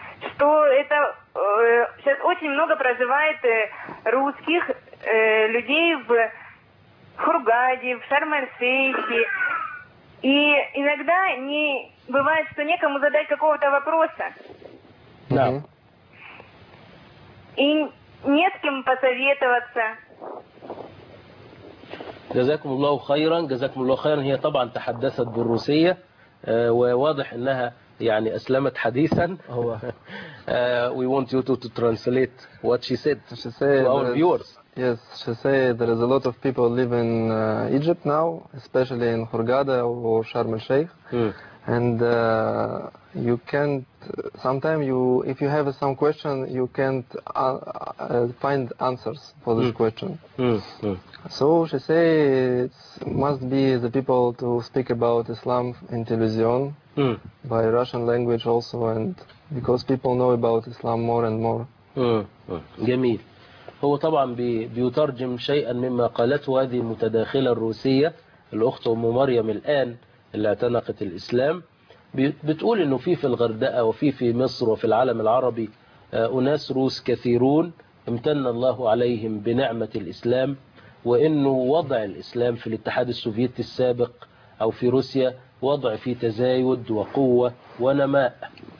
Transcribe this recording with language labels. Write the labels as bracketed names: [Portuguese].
[Russian] Что это сейчас очень много проживает русских людей в Хургаде, в Шарм-эль-Шейхе. И иногда не бывает, что некому задать какого-то вопроса. Да. И не с кем посоветоваться. [Arabic] جزاكم الله خيرا. جزاكم الله خيرا. هي طبعا تحدثت بالروسية، وواضح انها يعني اسلمت حديثا. هو [English] we want you to translate what she said. She said to our viewers. Yes, she said there is a lot of people live in Egypt now, especially in Hurghada or Sharm el Sheikh. And you can't sometimes you if you have some question you can't find answers for this question. So she say it must be the people to speak about Islam in television by Russian language also, and because people know about Islam more and more. [Arabic] جميل. هو طبعا بيترجم شيئا مما قالته هذه المتداخلة الروسية الأخت أم مريم الآن اللي اعتنقت الإسلام. بتقول إنه في الغردقة وفي مصر وفي العالم العربي أناس روس كثيرون امتن الله عليهم بنعمة الإسلام، وإنه وضع الإسلام في الاتحاد السوفيتي السابق أو في روسيا وضع في تزايد وقوة ونماء.